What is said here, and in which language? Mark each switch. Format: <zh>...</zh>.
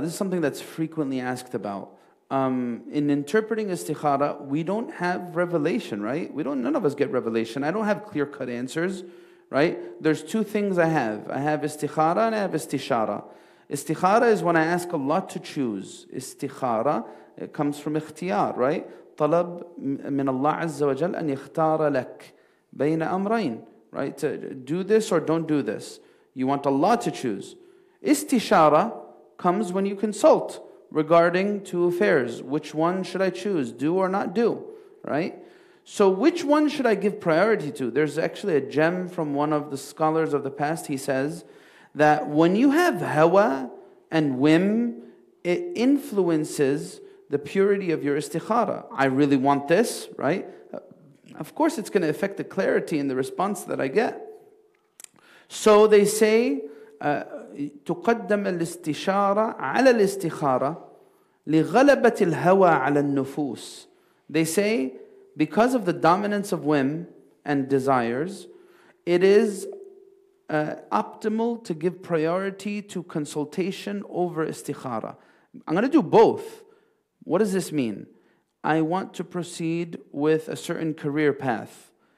<en>This is something that's frequently asked about. In interpreting istikhara, we don't have revelation, right? None of us get revelation. I don't have clear-cut answers, right? There's two things I have. I have istikhara and I have istishara. Istikhara is when I ask Allah to choose. Istikhara, it comes from ikhtiyar, right?</en> <ar>طلب من الله عز وجل أن يختار لك بين أمرين,</ar> <en>right? To do this or don't do this. You want Allah to choose. Istishara comes when you consult regarding two affairs. Which one should I choose? Do or not do? Right? So which one should I give priority to? There's actually a gem from one of the scholars of the past. He says that when you have hawa and whim, it influences the purity of your istikhara. I really want this, right? Of course it's going to affect the clarity in the response that I get. So they say,</en> <ar>تقدم الاستشارة على الاستخارة لغلبة الهوى على النفوس.</ar> <en>They say, because of the dominance of whim and desires, it is optimal to give priority to consultation over istikhara. I'm going to do both. What does this mean? I want to proceed with a certain career path.</en>